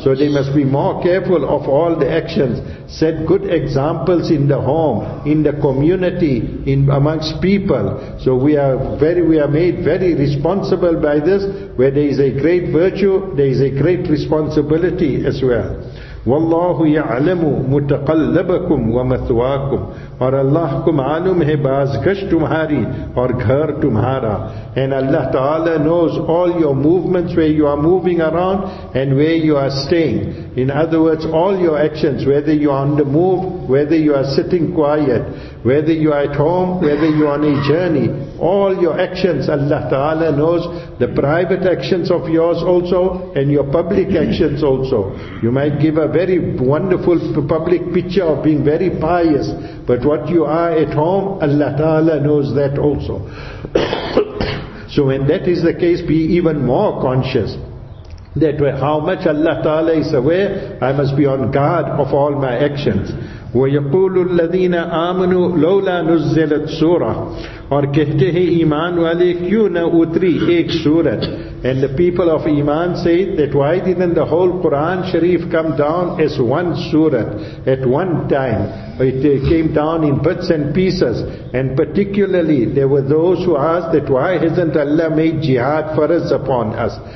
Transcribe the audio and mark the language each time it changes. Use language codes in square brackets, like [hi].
[en] So they must be more careful of all the actions. Set good examples in the home, in the community, in amongst people. So we are made very responsible by this. Where there is a great virtue, there is a great responsibility as well. [ar] وَاللَّهُ يَعْلَمُ مُتَقَلَّبَكُمْ وَمَثْوَاكُمْ. [ur] اور اللہ کو معلوم ہے بازگشت تمہاری اور گھر تمہارا. [en] And Allah Ta'ala knows all your movements, where you are moving around and where you are staying. In other words, all your actions, whether you are on the move, whether you are sitting quiet, whether you are at home, whether you are on a journey, all your actions Allah Ta'ala knows, the private actions of yours also and your public actions also. You might give a very wonderful public picture of being very pious, but what you are at home, Allah Ta'ala knows that also. So when that is the case, be even more conscious that how much Allah Ta'ala is aware, I must be on guard of all my actions. [ar] وَيَقُولُ الَّذِينَ آمَنُوا لَوْلَا نُزِّلَتْ سُورَةً. [ur] اور کہتے ہیں ایمان والے کیوں نہ اتری ایک سورت. [en] And the people of Iman say that why didn't the whole Quran Sharif come down as one surah at one time? It came down in bits and pieces. And particularly there were those who asked that why hasn't Allah made jihad farz upon us?